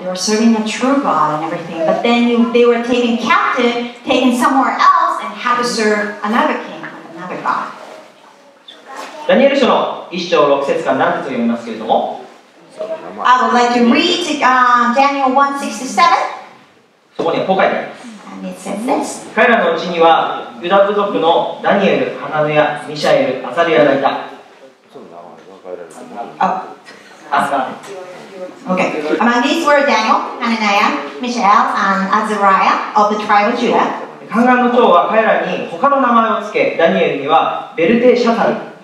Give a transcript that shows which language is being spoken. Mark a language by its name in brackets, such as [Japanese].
[English] They were serving the true God and everything. But then they were taken captive, taken somewhere else, and had to serve another king, another God. [Japanese] ダニエル書の1章6節から何節を読みますけれども [English] I would like to read Daniel 1:6-7. [Japanese] そこにはこう書いてあります。彼らのうちにはユダ部族のダニエル、ハナネヤ、ミシャエル、アザリアがいた。 [English] Okay. Among these were Daniel, Hananiah, Mishael, and Azariah of the tribe of Judah. [Japanese] 宦官の長は彼らに他の名前を付け、ダニエルにはベルテシャタル、